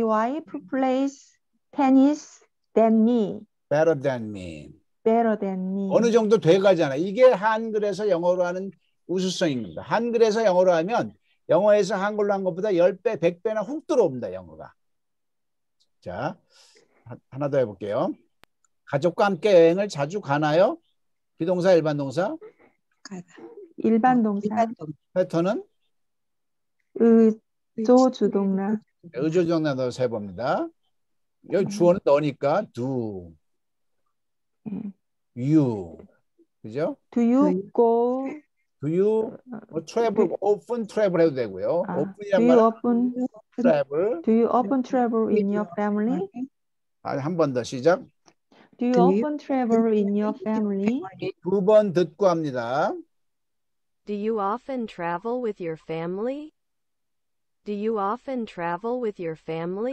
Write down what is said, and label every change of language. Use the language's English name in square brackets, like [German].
[English] I often like to play tennis with my wife. My wife plays tennis than me. Better than me. Better than me. [Korean] 어느 정도 돼가잖아. 이게 한글에서 영어로 하는 우수성입니다. 한글에서 영어로 하면 영어에서 한글로 한 것보다 10배, 100배나 훅 들어옵니다, 영어가. 자, 하나 더 해볼게요. 가족과 함께 여행을 자주 가나요? 비동사, 일반 동사? 일반 동사. 패턴은? 의조주동나. 의조주동나 넣어서 해봅니다. 여기 주어는 너니까 do. you. 그죠? [English] Do you go? Do you travel often? [Korean] Travel 해도 되고요. 아, often 이란 말은 often, travel. [English] Do you often travel in your family? [Korean] 아, 한 번 더 시작. [English] Do you often travel in your family? [Korean] 두 번 듣고 합니다. [English] Do you often travel with your family? Do you often travel with your family?